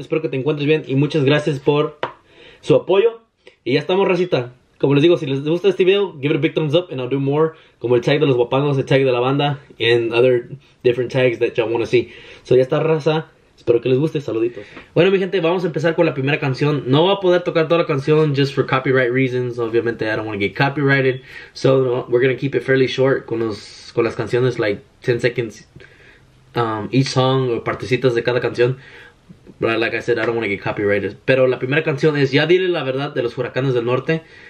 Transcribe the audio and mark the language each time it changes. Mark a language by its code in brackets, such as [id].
[es] Espero que te encuentres bien y muchas gracias por su apoyo. Y ya estamos, racita. Como les digo, si les gusta este video, give it a big thumbs up and I'll do more, como el tag de los guapangos, el tag de la banda, and other different tags that y'all want to see. So ya está, raza. Espero que les guste. Saluditos. Bueno, mi gente, vamos a empezar con la primera canción. No voy a poder tocar toda la canción just for copyright reasons. [en] Obviamente, I don't want to get copyrighted. So no, we're going to keep it fairly short con las canciones, like 10 seconds each song o partecitas de cada canción. But like I said, I don't want to get copyrighted. [es] Pero la primera canción es Ya Dile La Verdad, de los Huracanes del Norte.